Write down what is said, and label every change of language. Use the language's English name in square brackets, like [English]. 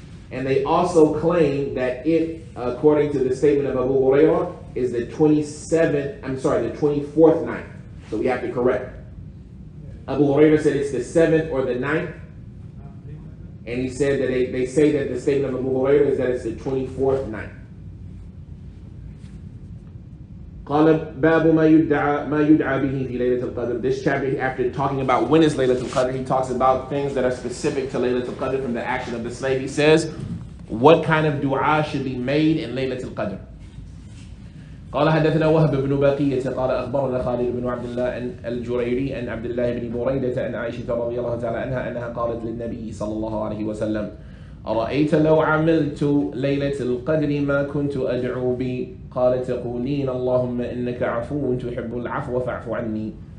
[English] And they also claim that it, according to the statement of Abu Hurairah, is the 24th night. So we have to correct. Abu Hurairah said it's the 7th or the 9th. And he said that they say that the statement of Abu Hurairah is that it's the 24th night. [Arabic] قال باب ما يدعى به في ليلة القدر. [English] This chapter, after talking about when is Laylatul Qadr, he talks about things that are specific to Laylatul Qadr from the action of the slave. He says, what kind of dua should be made in Laylatul Qadr? [Arabic] قال حدثنا وهب بن بقية قال أخبرنا خالد بن عبد الله الجريري أن عبد الله بن بريدة أن عائشة رضي الله تعالى عنها أنها قالت للنبي صلى الله عليه وسلم أرأيت لو عملت ليلة القدر ما كنت أدعو بي؟ قال تقولين اللهم إنك عفو تحب العفو فاعف عني.